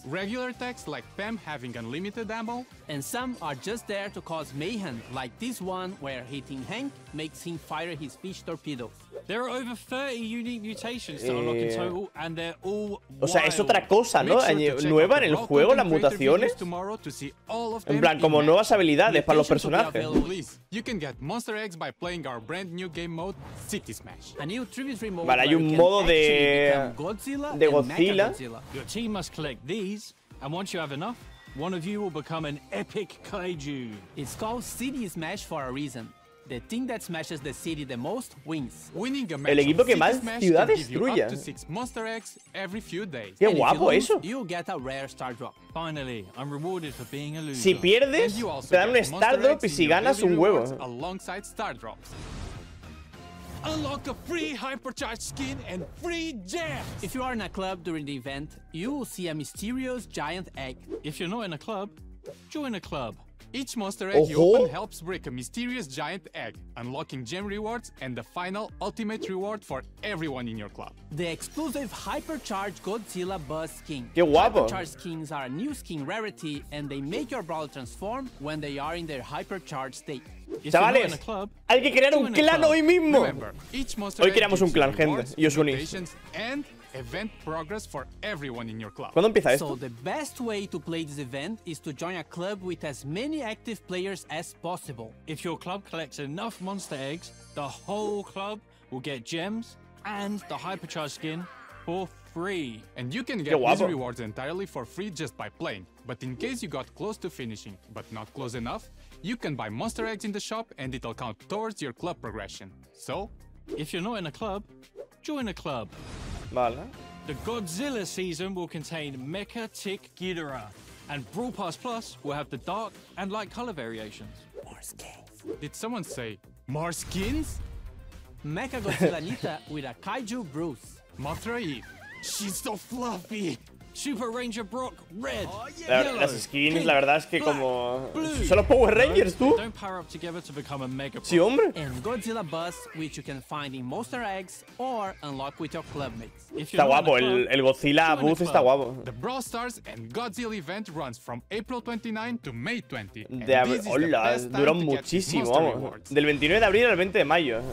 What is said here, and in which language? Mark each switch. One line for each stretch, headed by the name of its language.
English: regular attacks like Pam having unlimited ammo, and some are just there to cause mayhem, like this one where hitting Hank makes him fire his fish torpedo. There are over 30 unique mutations to unlock in total, and they're all wild.
Spanish: O sea, es otra cosa, ¿no? Sure, nueva en el juego, las mutaciones. En plan, como nuevas habilidades para los personajes.
English: You can get monster eggs by playing our brand new game mode, City Smash. A new tributary mode.
Spanish: Vale, hay un modo de Godzilla.
English: Your team must collect these, and once you have enough, one of you will become an epic kaiju. It's called City Smash for a reason. The thing that smashes the city the most wins. Winning a match.
Spanish: El equipo que más ciudad destruye.
English: Up to 6 monster eggs every few days.
Spanish: Qué guapo eso.
English: You get a rare star drop. Finally, I'm rewarded for being a loser.
Spanish: Si pierdes, te dan un star drop y si ganas un huevo.
English: Alongside star drops. Unlock a free hypercharged skin and free gems. If you are in a club during the event, you will see a mysterious giant egg. If you're not in a club, join a club. Each monster egg you open helps break a mysterious giant egg, unlocking gem rewards and the final ultimate reward for everyone in your club. The exclusive hypercharged Godzilla Buzz skin.
Spanish: Qué guapo.
English: Hypercharged skins are a new skin rarity and they make your brawler transform when they are in their hypercharged state.
Spanish: Chavales, hay que crear un clan hoy mismo. Hoy creamos un clan, gente, y os unís.
English: Event progress for everyone in your club.
Spanish: ¿Cuándo empieza esto?
English: So the best way to play this event is to join a club with as many active players as possible. If your club collects enough monster eggs, the whole club will get gems and the hypercharge skin for free. And you can get these rewards entirely for free just by playing. But in case you got close to finishing but not close enough, you can buy monster eggs in the shop and it'll count towards your club progression. So, if you're not in a club, join a club.
Spanish: Vale.
English: The Godzilla season will contain Mecha Tick Ghidorah, and Brawl Pass Plus will have the dark and light color variations. More skins. Did someone say more skins? Mecha Godzilla Nita with a Kaiju Bruce. Mothra Eve. She's so fluffy. Super Ranger Brock Red. Oh, yeah.
Spanish: Las skins, pink, la verdad es que black, como blue. Solo Power Rangers, tú.
English: Don't power up together to become a Mega.
Spanish: Sí, hombre.
English: And Godzilla Buzz, which you can find in Monster Eggs or unlock with your clubmates.
Spanish: Está guapo el Godzilla Buzz, está guapo.
English: The Brawl Stars and Godzilla event runs from April 29 to May 20.
Spanish: Hola, duró muchísimo, vamos. Del 29 de abril al 20 de mayo.